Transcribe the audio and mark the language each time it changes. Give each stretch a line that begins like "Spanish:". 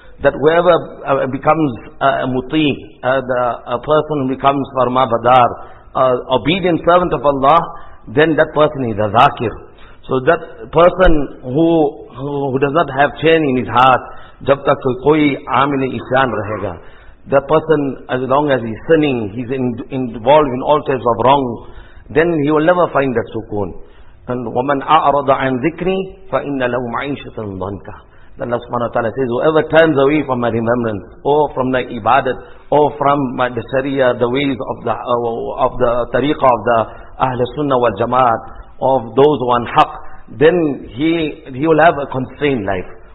English: that whoever becomes muti, a person becomes farma badar, obedient servant of Allah, then that person is a zakir. So that person who does not have chain in his heart,
Urdu: jab tak koi amil isyan rahega,
English: that person, as long as he's sinning, he's involved in all types of wrong, then he will never find that sukoon.
Arabic: And وَمَنْ أَعْرَضَ عَنْ ذِكْرِي فَإِنَّ لَهُ مَعِيشَةً ضَنْكَ.
English: Allah subhanahu wa ta'ala says, whoever turns away from my remembrance, or from the ibadat, or from the sharia, the ways of the tariqah of the Ahl Sunnah wal Jamaat, of those who are haq, then he will have a constrained life.